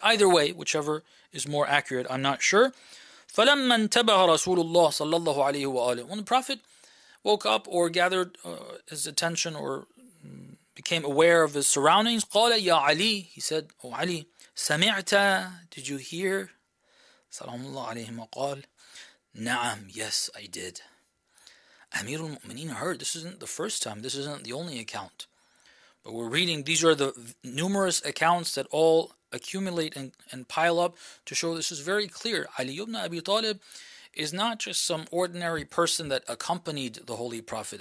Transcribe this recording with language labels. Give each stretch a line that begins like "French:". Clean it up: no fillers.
English: Either way, whichever is more accurate, I'm not sure.
Arabic: فَلَمَّا انْتَبَهَ رَسُولُ اللَّهِ صَلَّى اللَّهُ عَلَيْهِ وَآلِهِ.
English: When the Prophet woke up or gathered his attention or became aware of his surroundings,
Arabic: قَالَ يَا عَلِيِّ,
English: he said, "O Ali,
Arabic: سَمِعْتَ,
English: did you hear?"
Arabic: سَلَامُ اللَّهِ عَلَيْهِمَا قَالَ, "نَعَمْ,
English: yes, I did." Amir al-Mu'mineen heard. This isn't the first time. This isn't the only account. But we're reading, these are the numerous accounts that all accumulate and pile up to show this is very clear. Ali ibn Abi Talib is not just some ordinary person that accompanied the Holy Prophet.